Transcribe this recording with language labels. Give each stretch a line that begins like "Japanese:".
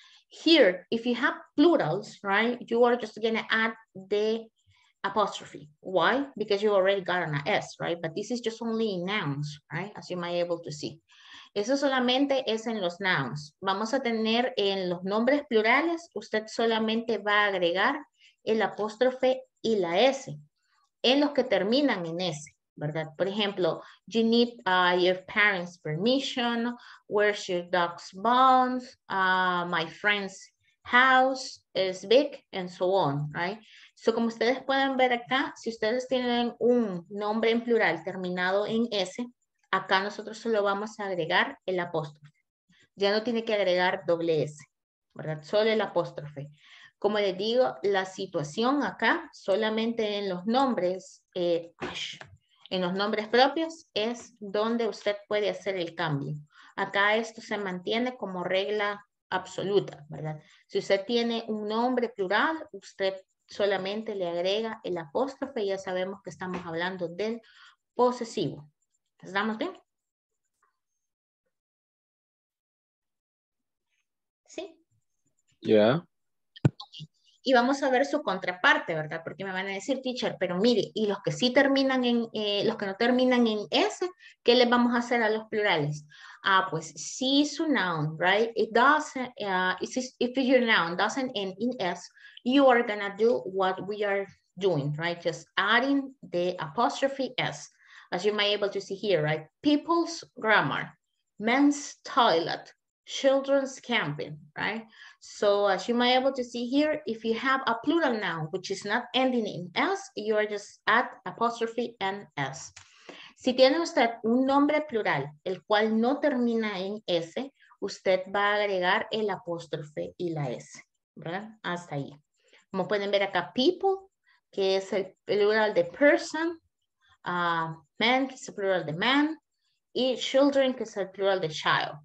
English: Here, if you have plurals, right, you are just going to add the apostrophe. Why? Because you already got an S, right? But this is just only in nouns, right? As you might be able to see.
Spanish: Eso solamente es en los nouns. Vamos a tener en los nombres plurales, usted solamente va a agregar el apóstrofe y la S en los que terminan en S, ¿verdad? Por ejemplo,
English: you need your parents' permission, where's your dog's bones, my friend's house is big, and so on, right?
Spanish: So, como ustedes pueden ver acá, si ustedes tienen un nombre en plural terminado en S, acá nosotros solo vamos a agregar el apóstrofe. Ya no tiene que agregar doble S, ¿verdad? Solo el apóstrofe. Como les digo, la situación acá, solamente en los nombres, en los nombres propios, es donde usted puede hacer el cambio. Acá esto se mantiene como regla absoluta, ¿verdad? Si usted tiene un nombre plural, usted solamente le agrega el apóstrofe, ya sabemos que estamos hablando del posesivo. ¿Estamos bien? ¿Sí? Ya. Yeah. Okay. Y vamos a ver su contraparte, ¿verdad? Porque me van a decir, teacher, pero mire, y los que sí terminan en, los que no terminan en S, ¿qué les vamos a hacer a los plurales? Ah, pues, si su noun, right?
English: It doesn't, if your noun doesn't end in S, you are gonna do what we are doing, right? Just adding the apostrophe S. As you might be able to see here, right? People's grammar, men's toilet, children's camping, right? So as you might be able to see here, if you have a plural noun, which is not ending in S, you are just at apostrophe and S.
Spanish: Si tiene usted un nombre plural, el cual no termina en S, usted va a agregar el apóstrofe y la S, ¿verdad? Hasta ahí. Como pueden ver acá, people, que es el plural de person, men, que es el plural de man, y children, que es el plural de child.